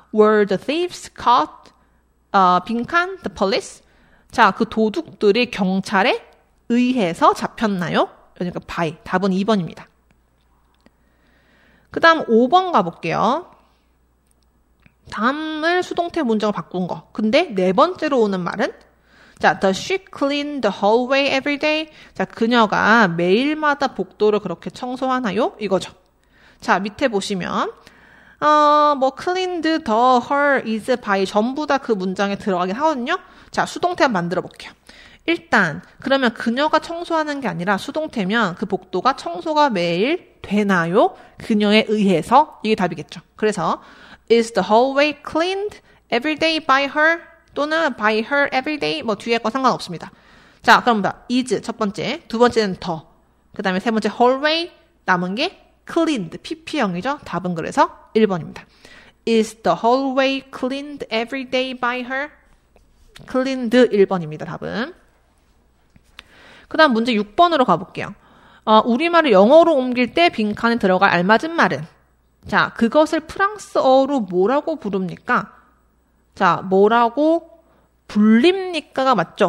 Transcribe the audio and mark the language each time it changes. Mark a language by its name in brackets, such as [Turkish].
[English] Were the thieves caught? [Korean] 빈칸, [English] the police. [Korean] 자, 그 도둑들이 경찰에 의해서 잡혔나요? 그러니까 by. 답은 2번입니다. 그 다음 5번 가볼게요. 다음을 수동태 문장으로 바꾼 거. 근데 네 번째로 오는 말은 [English] 자, does she clean the hallway every day? [Korean] 자, 그녀가 매일마다 복도를 그렇게 청소하나요? 이거죠. 자, 밑에 보시면 뭐 cleaned the hall is by 전부 다 그 문장에 들어가긴 하거든요. 자, 수동태 한번 만들어 볼게요. 일단 그러면 그녀가 청소하는 게 아니라 수동태면 그 복도가 청소가 매일 되나요? 그녀에 의해서 이게 답이겠죠. 그래서 [English] is the hallway cleaned every day by her? [Korean] 또는 [English] by her every day? [Korean] 뭐 뒤에 거 상관없습니다. 자, 그럼 is 첫 번째, 두 번째는 the, 그 다음에 세 번째 hallway, 남은 게 cleaned, PP형이죠. 답은 그래서 1번입니다. [English] Is the hallway cleaned every day by her? [Korean] Cleaned 1번입니다. 답은. 그 다음 문제 6번으로 가볼게요. 우리말을 영어로 옮길 때 빈칸에 들어갈 알맞은 말은? 자, 그것을 프랑스어로 뭐라고 부릅니까? 자, 뭐라고 불립니까가 맞죠?